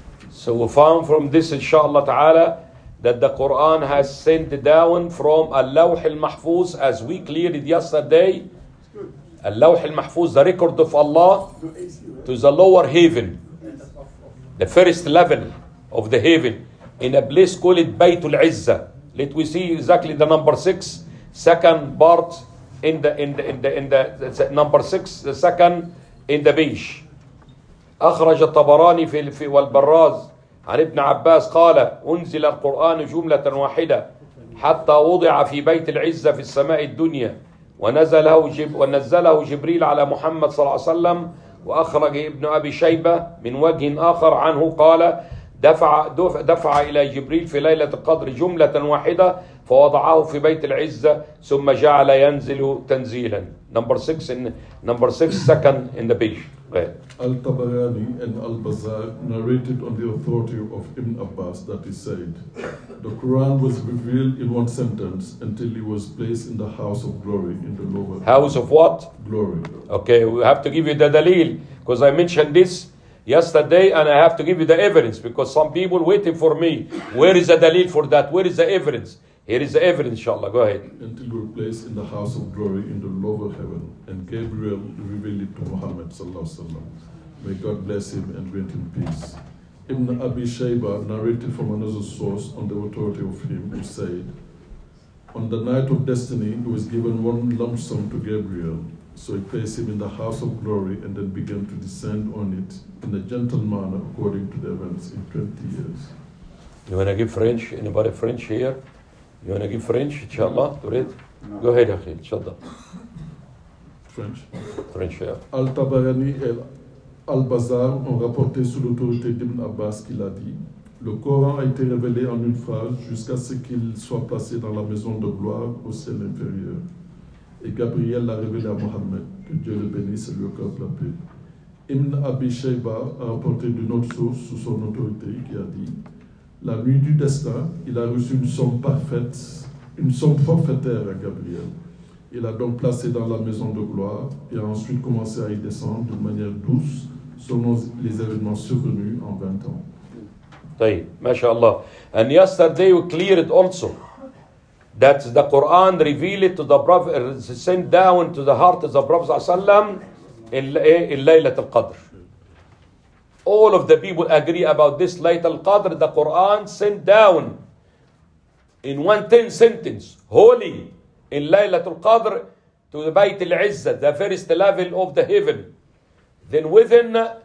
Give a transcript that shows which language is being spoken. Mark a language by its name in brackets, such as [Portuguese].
[English] So we found from this, inshallah ta'ala, that the Quran has sent down from Al-Lawh Al-Mahfuz, as we cleared yesterday, Al-Lawh Al-Mahfuz, the record of Allah, to the lower heaven, the first level of the heaven, in a place called Baytul Izzah. Let we see exactly the number 6, second part, in the number 6, the second in the beige. [Arabic] أخرج الطبراني في والبراز عن ابن عباس قال أنزل القرآن جملة واحدة حتى وضع في بيت العزة في السماء الدنيا ونزله جبريل على محمد صلى الله عليه وسلم. وأخرج ابن أبي شيبة من وجه آخر عنه قال دفع إلى جبريل في ليلة القدر جملة واحدة فوضعه في بيت العزة ثم جعل ينزل تنزيلا. [English] Number six, second in the page. Al-Tabarani and Al-Bazar narrated on the authority of Ibn Abbas that he said, the Quran was revealed in one sentence until it was placed in the house of glory in the lower. House of what? Glory. Okay, we have to give you the dalil, because I mentioned this yesterday, and I have to give you the evidence, because some people waiting for me. Where is the dalil for that? Where is the evidence? Here is the evidence, inshallah. Go ahead. Until we were placed in the house of glory in the lower heaven, and Gabriel revealed it to Muhammad sallallahu alaihi wasallam. May God bless him and grant him peace. Ibn Abi Shayba narrated from another source on the authority of him, who said, on the night of destiny, he was given one lump sum to Gabriel. So he placed him in the house of glory and then began to descend on it in a gentle manner according to the events in 20 years. You want to give French? Anybody French here? You want to give French, inshallah, to read? No. Go ahead, Akhil, inshallah. French, yeah. [French] Al-Tabarani et Al-Bazar ont rapporté sous l'autorité d'Ibn Abbas qu'il a dit, le Coran a été révélé en une phrase jusqu'à ce qu'il soit placé dans la maison de gloire au ciel inférieur. Et Gabriel l'a révélé à Mohammed, que Dieu le bénisse et lui accorde la paix. Ibn Abi Shayba a rapporté d'une autre source sous son autorité qui a dit, la nuit du destin, il a reçu une somme parfaite, une somme forfaitaire à Gabriel. Il a donc placé dans la maison de gloire et a ensuite commencé à y descendre de manière douce selon les événements survenus en 20 ans. [English] Okay, mashallah. And yesterday we cleared also that the Quran revealed to the Prophet, sent down to the heart of the Prophet sallallahu alayhi wa sallam in Laylat al-Qadr. All of the people agree about this Laylat al-Qadr, the Quran sent down in 110 sentence, holy, in Laylat al-Qadr to the Bayt al-Izzah, the first level of the heaven. Then within